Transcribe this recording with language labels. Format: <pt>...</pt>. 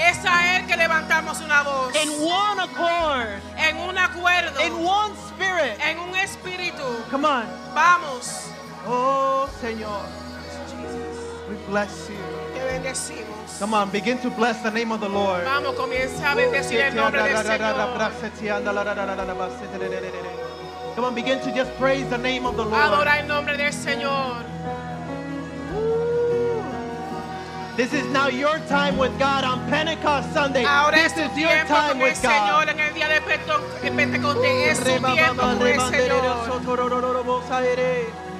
<es>Es a él que levantamos una voz.</es> <en>In one accord.</en> <es>En un acuerdo.</es> <en>In one spirit.</en> <es>En un espíritu.</es> <en>Come on.</en> <es>Vamos. Oh, Señor.</es> <en>Jesus. We bless you.</en> <es>Te bendecimos.</es> <en>Come on, begin to bless the name of the Lord.</en> <es>Vamos, comienza a bendecir el nombre del Señor.</es> <en>Come on, begin to just praise the name of the Lord.</en> <es>Adora el nombre del Señor.</es> <en>This is now your time with God on Pentecost Sunday.</en> <es>Ahora</es> <en>this is your time with God.</en> <es>Señor en el día de Pentecostés, es tiempo con el Señor.</es>